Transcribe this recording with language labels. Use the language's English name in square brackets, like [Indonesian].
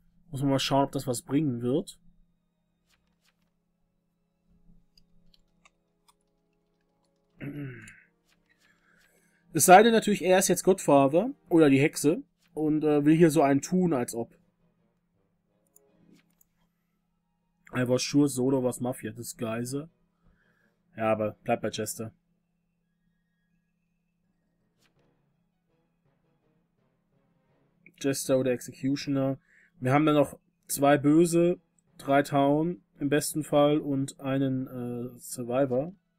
[German] Muss man mal schauen, ob das was bringen wird. Es sei denn natürlich, er ist jetzt Godfather oder die Hexe und will hier so einen tun, als ob. [English] I was sure Solo was Mafia disguise. [German] Ja, aber bleibt bei Chester. Chester oder Executioner. Wir haben dann noch zwei Böse, drei Town im besten Fall und einen Survivor.